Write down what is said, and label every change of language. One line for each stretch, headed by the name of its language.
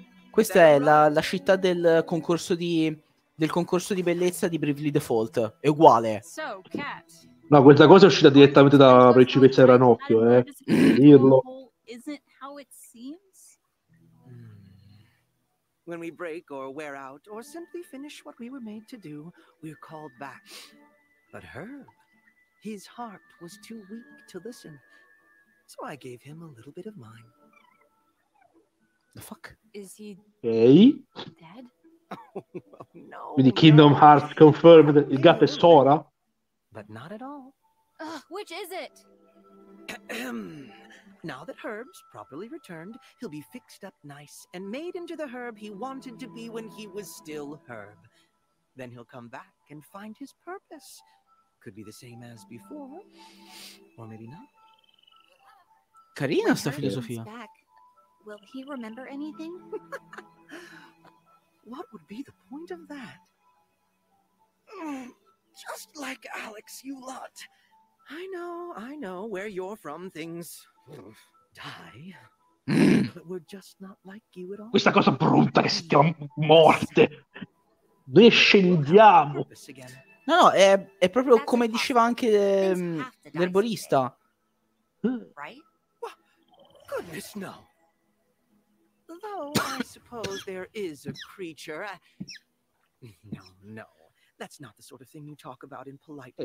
Italian: Questa è la città del concorso di. Del concorso di bellezza di Bravely Default. È uguale. So,
English: Cat.
Italian: No, questa cosa è uscita direttamente da Principessa Ranocchio, dirlo.
English: When we break or wear out or simply finish what we were made to do, we're called back. But Herb, his heart was too weak to listen. So I gave him a little bit of mine. The fuck? Is he dead? Oh, no.
Italian: Quindi Kingdom Hearts confirmed il gatto è Sora?
English: But not at all. Which is it? Now that Herb's properly returned, he'll be fixed up nice and made into the Herb he wanted to be when he was still Herb. Then he'll come back and find his purpose. Could be the same as before, or maybe not.
Italian: Carina sta filosofia.
English: Will he remember anything? What would be the point of that? Just like Alex, you lot. I know where you're from, things die. But we're just not like you at all.
Italian: Questa cosa brutta che si chiama morte. Noi scendiamo. No, no, è proprio come diceva anche l'erborista.
English: Right? Goodness, no. Though I suppose there is a creature. No. That's not the sort of thing you talk about in polite.